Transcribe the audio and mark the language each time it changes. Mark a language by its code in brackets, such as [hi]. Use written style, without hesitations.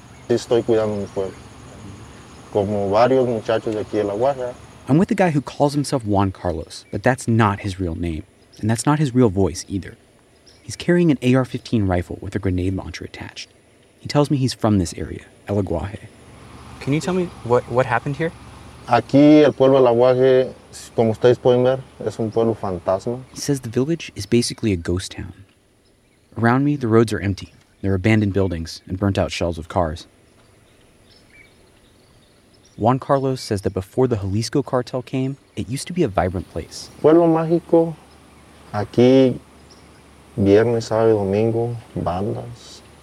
[es] Estoy cuidando un pueblo. Como varios muchachos aquí en La Guaja. [en] I'm with a guy who calls himself Juan Carlos, but that's not his real name, and that's not his real voice either. He's carrying an AR-15 rifle with a grenade launcher attached. He tells me he's from this area, El Aguaje. Can you tell me what happened here? [es] Aquí el pueblo El Aguaje, como ustedes pueden ver, es un pueblo fantasma. [en] He says the village is basically a ghost town. Around me, the roads are empty. There are abandoned buildings and burnt-out shells of cars. Juan Carlos says that before the Jalisco cartel came, it used to be a vibrant place. [es] Pueblo Mágico, aquí, viernes, sábado, domingo, bandas.